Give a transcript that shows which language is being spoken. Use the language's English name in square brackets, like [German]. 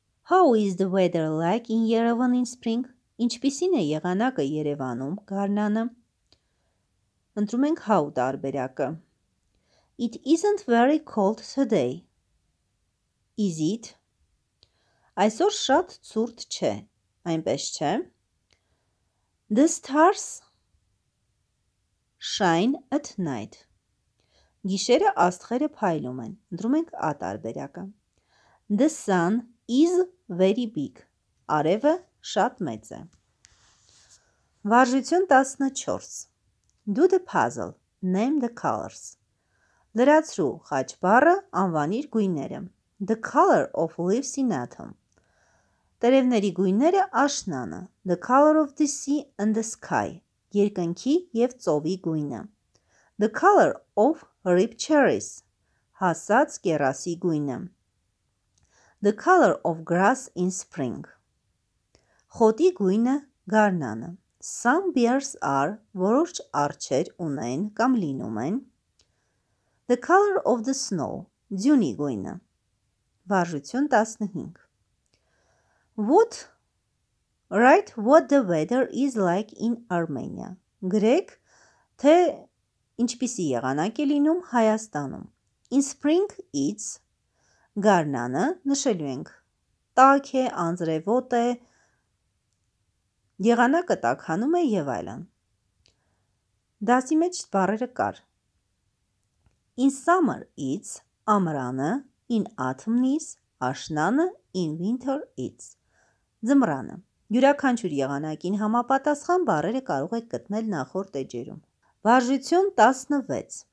[English] How is the weather like in Yerevan in spring? [Armenian] Ինչպիսին է եղանակը Երևանում, գարնանը? Ընտրում ենք how տարբերակը. [English] It isn't very cold today. Is it? [Armenian] Այսօր շատ ցուրտ չէ. Այնպես չէ. [English] The stars shine at night. [Armenian] Գիշերը աստղերը փայլում են. Ընտրում ենք ա տարբերակը. [English] The sun is very big. [Armenian] Արևը շատ մեծ է. [English] Վարժություն 14. Do the puzzle. Name the colors. [Armenian] Լրացրու խաչբառը, անվանիր գույները. [English] The color of leaves in autumn. [Armenian] Տերևների գույները աշնանը. [English] The color of the sea and the sky. [Armenian] Երկնքի և ծովի գույնը. [English] The color of ripe cherries. [Armenian] Հասած կերասի գույնը. [English] The color of grass in spring. [Armenian] Խոտի գույնը գարնանը. [English] Some bears are, [Armenian] որոշ արջեր ունեն կամ լինում են. [English] The color of the snow, [Armenian] ձյունի գույնը. Վարժություն 15. [English] What, write what the weather is like in Armenia. [Armenian] Գրեք, թե ինչպիսի եղանակ է լինում Հայաստանում. [English] In spring it's, [Armenian] գարնանը նշելու ենք, տաք է, անձրևոտ է, եղանակը տաքանում է և այլան։ Դասի մեջ բառերը կար։ [English] In summer it's [Armenian] ամրանը, [English] in autumn is [Armenian] աշնանը, [English] in winter it's [Armenian] ձմրանը։ Յուրաքանչյուր եղանակին համապատասխան բառերը կարող եք գտնել նախորդ էջերում։ Վարժություն 16.